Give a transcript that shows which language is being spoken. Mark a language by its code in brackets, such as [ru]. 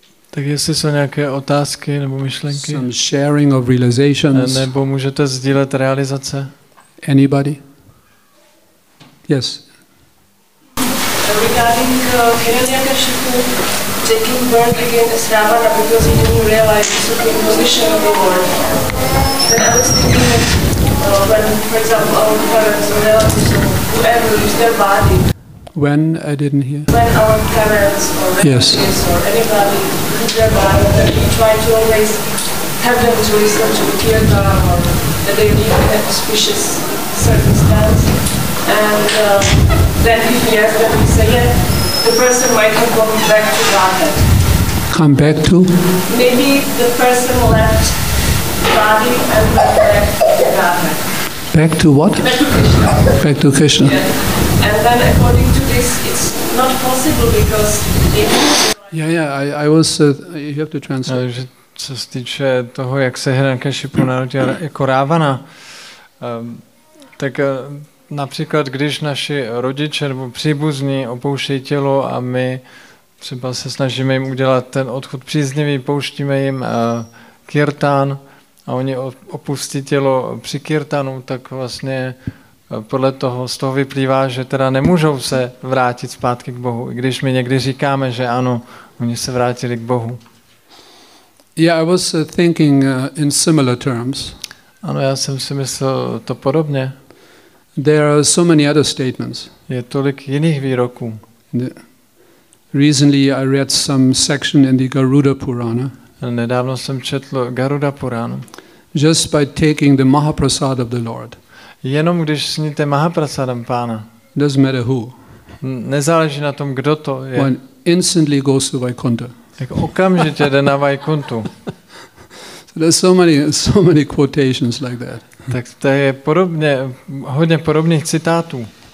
[cs] Tak jestli jsou nějaké otázky nebo myšlenky. [en] Some sharing of realizations. [cs] Nebo můžete sdílet realizace. [en] Anybody? Yes. Regarding Hiranyakashipu taking birth again as Ravana because he didn't realize the supreme position of the world. Then I was thinking when, for example, our parents or relatives or whoever used their body. When? I didn't hear. When our parents or relatives or anybody used their body, then we try to always have them to listen to the Kirtana or that they live in a auspicious circumstance. And then if yes, then we say yes, the person might have gone back to Godhead. Come back to? Maybe the person left body and went back to Godhead. Back to what? Back to Krishna. Back to Krishna. Yes. And then according to this, it's not possible because you have to translate. [cs] Takže co se týče toho, jak se Hiranyakashipu narodil jako Rávana, tak například, když naši rodiče nebo příbuzní opouštějí tělo a my třeba se snažíme jim udělat ten odchod příznivý, pouštíme jim kirtán a oni opustí tělo při kirtánu, tak vlastně podle toho z toho vyplývá, že teda nemůžou se vrátit zpátky k Bohu, i když my někdy říkáme, že ano, oni se vrátili k Bohu. [en] Yeah, I was thinking in similar terms. [cs] Ano, já jsem si myslel to podobně. [en] There are so many other statements. [cs] Je tolik jiných výroků. [en] Recently I read some section in the Garuda Purana. [cs] Nedávno jsem četl Garuda Purana. [en] Just by taking the Mahaprasad of the Lord. [cs] Jenom když sníte Mahaprasadam Pána. [en] Doesn't matter who. [cs] Nezáleží na tom, kdo to je. [en] One instantly goes to Vaikuntha. [cs] Tak okamžitě jde na Vaikuntu. [en] So there's so many quotations like that. [cs] Tak to je podobně, hodně podobných citátů.